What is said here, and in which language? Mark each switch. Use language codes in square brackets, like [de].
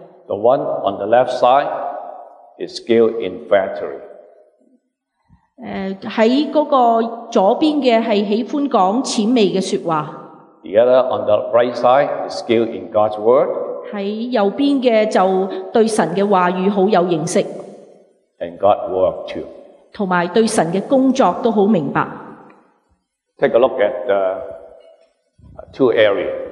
[en] The one on the left side is skilled in flattery。 [yue] 喺嗰个左边嘅系喜欢讲谄媚嘅说话。 [en] The other on the right side is skilled in God's word。 [yue] 喺右边嘅就对神嘅话语好有认识。 [en] And God's work too。 [yue] 同埋对神嘅工作都好明白。 [en] Take a look at the two areas。